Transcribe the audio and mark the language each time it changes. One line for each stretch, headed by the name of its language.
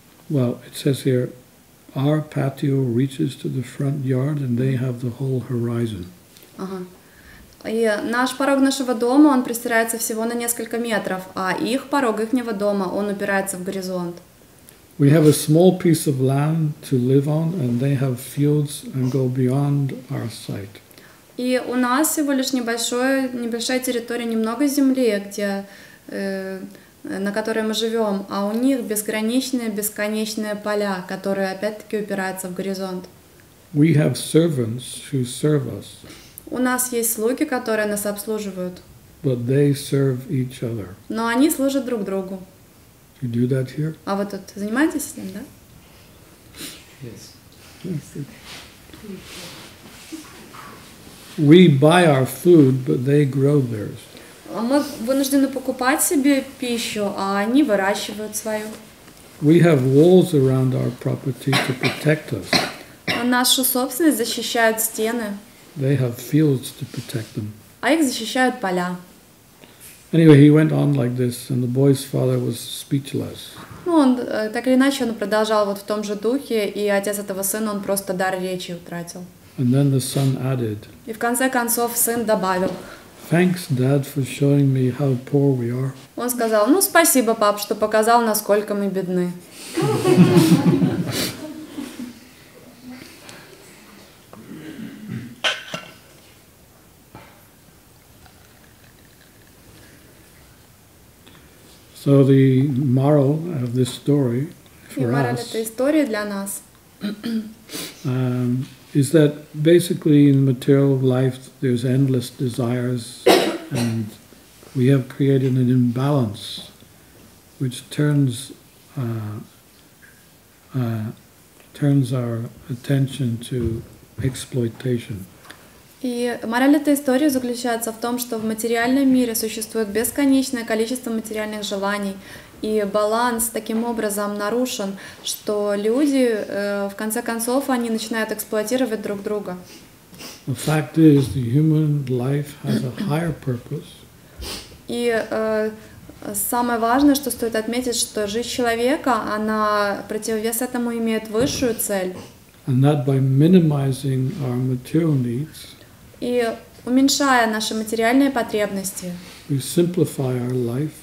English: Well, it says here, our patio reaches to the front yard, and they have the whole horizon.
Russian: И наш порог нашего дома, он простирается всего на несколько метров, а их порог, ихнего дома, он упирается в горизонт.
English: We have a small piece of land to live on, and they have fields and go beyond our sight.
Russian: И у нас всего лишь небольшая территория, немного земли, где, на которой мы живем, а у них бесконечные поля, которые опять-таки упираются в горизонт.
English: We have servants who serve us.
Russian: У нас есть слуги, которые нас обслуживают.
English: But they serve each other.
Russian: Но они служат друг другу.
English: You do that here?
Russian: А вы тут занимаетесь этим, да?
English: Yes. We buy our food, but they grow theirs.
Russian: Мы вынуждены покупать себе пищу, а они выращивают свою.
English: We have walls around our property to protect us.
Russian: Нашу собственность защищают стены.
English: They have fields to protect them.
Russian: А их защищают поля.
English: Anyway, he went on like this, and the boy's father was speechless.
Russian: Ну, он так или иначе, он продолжал вот в том же духе, и отец этого сына, он просто дар речи утратил.
English: And then the son added.
Russian: И в конце концов сын добавил.
English: Thanks, Dad, for showing me how poor we are.
Russian: Он сказал, ну спасибо, пап, что показал, насколько мы бедны.
English: So the moral of this story for us.
Russian: И мораль этой истории для нас.
English: Is that basically in material life there's endless desires and we have created an imbalance which turns our attention to exploitation.
Russian: И мораль этой истории заключается в том, что в материальном мире существует бесконечное количество материальных желаний, и баланс таким образом нарушен, что люди, в конце концов, они начинают эксплуатировать друг друга.
English: The fact is, the human life has a higher purpose.
Russian: И самое важное, что стоит отметить, что жизнь человека, она противовес этому имеет высшую цель.
English: And that by minimizing our material needs.
Russian: И уменьшая наши материальные потребности,
English: we simplify our life,